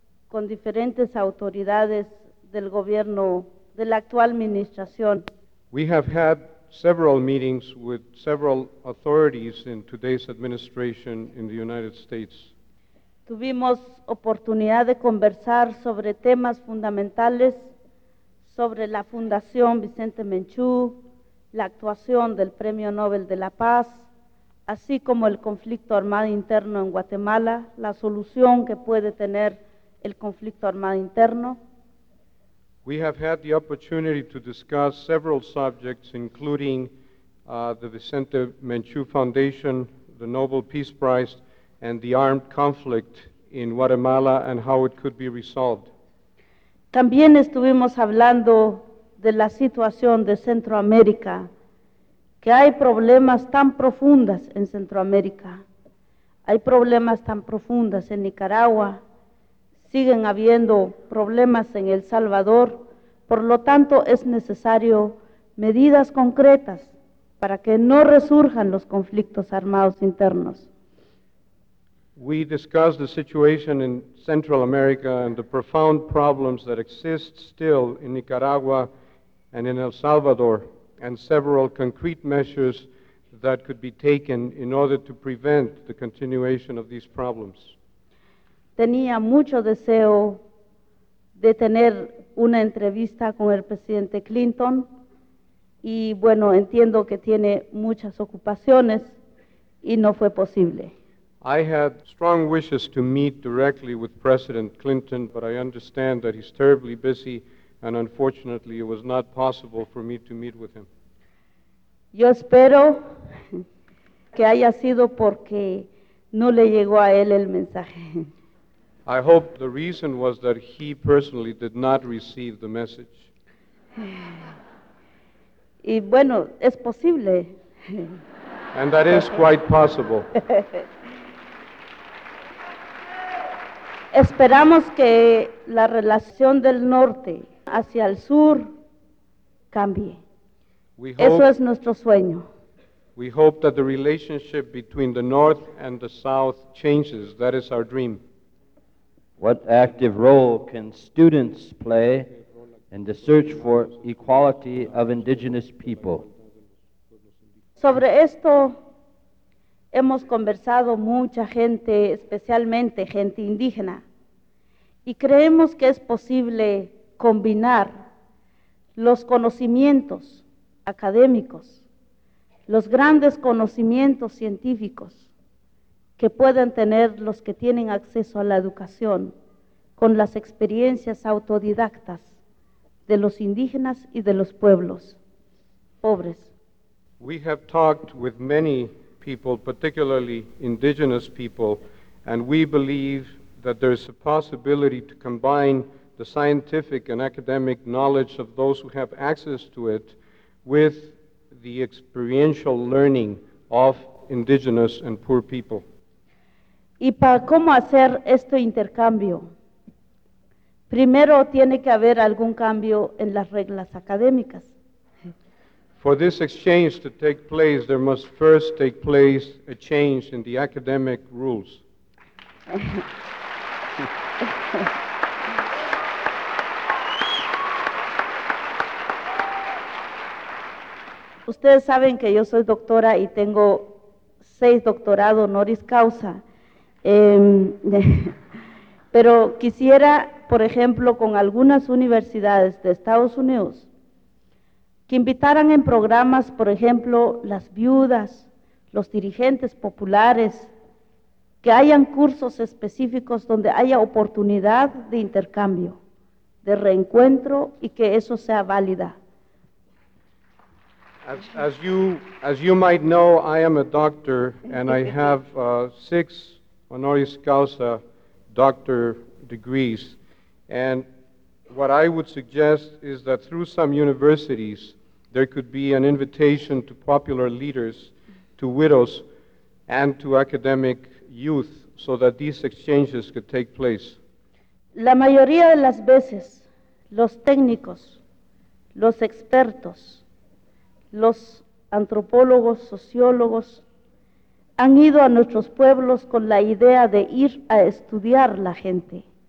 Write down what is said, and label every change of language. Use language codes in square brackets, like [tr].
[es] con diferentes autoridades del gobierno de la actual administración. [en] We have had several meetings with several authorities in today's administration in the United States. [es] Tuvimos oportunidad de conversar sobre temas fundamentales sobre la Fundación Vicente Menchú, la actuación del Premio Nobel de la Paz, así como el conflicto armado interno en Guatemala, la solución que puede tener el conflicto armado interno. [en] We have had the opportunity to discuss several subjects, including the Vicente Menchú Foundation, the Nobel Peace Prize, and the armed conflict in Guatemala and how it could be resolved. [es] También estuvimos hablando de la situación de Centroamérica, que hay problemas tan profundos en Centroamérica. Hay problemas tan profundos en Nicaragua. Siguen habiendo problemas en El Salvador. Por lo tanto, es necesario medidas concretas para que no resurjan los conflictos armados internos. [en] We discussed the situation in Central America and the profound problems that exist still in Nicaragua and in El Salvador, and several concrete measures that could be taken in order to prevent the continuation of these problems. [es] Tenía mucho deseo de tener una entrevista con el presidente Clinton, y bueno, entiendo que tiene muchas ocupaciones, y no fue posible. [en] I had strong wishes to meet directly with President Clinton, but I understand that he's terribly busy, and unfortunately it was not possible for me to meet with him. [es] Yo espero que haya sido porque no le llegó a él el mensaje. [en] I hope the reason was that he personally did not receive the message. [es] Y bueno, es posible. [en] And that is quite possible. [es] Esperamos que la relación del norte hacia el sur cambie. Eso es nuestro sueño. [en] We hope that the relationship between the north and the south changes. That is our dream. What active role can students play in the search for equality of indigenous people? [es] Sobre esto hemos conversado mucha gente, especialmente gente indígena. Y creemos que es posible combinar los conocimientos académicos, los grandes conocimientos científicos que pueden tener los que tienen acceso a la educación, con las experiencias autodidactas de los indígenas y de los pueblos pobres. [en] We have talked with many people, particularly indigenous people, and we believe that there is a possibility to combine the scientific and academic knowledge of those who have access to it with the experiential learning of indigenous and poor people. [es] ¿Y para cómo hacer este intercambio? Primero tiene que haber algún cambio en las reglas académicas. [en] For this exchange to take place, there must first take place a change in the academic rules. [es] Ustedes saben que yo soy doctora y tengo 6 doctorados honoris causa. Pero quisiera, por ejemplo, con algunas universidades de Estados Unidos, que invitaran en programas, por ejemplo, las viudas, los dirigentes populares, que hayan cursos específicos donde haya oportunidad de intercambio, de reencuentro, y que eso sea válida. [en] As you might know, I am a doctor, and I have 6 honoris causa doctor degrees. And what I would suggest is that through some universities, there could be an invitation to popular leaders, to widows, and to academic youth, so that these exchanges could take place. [es] La mayoría de las veces, los técnicos, los expertos, los antropólogos, sociólogos, han ido a nuestros pueblos con la idea de ir a estudiar la gente.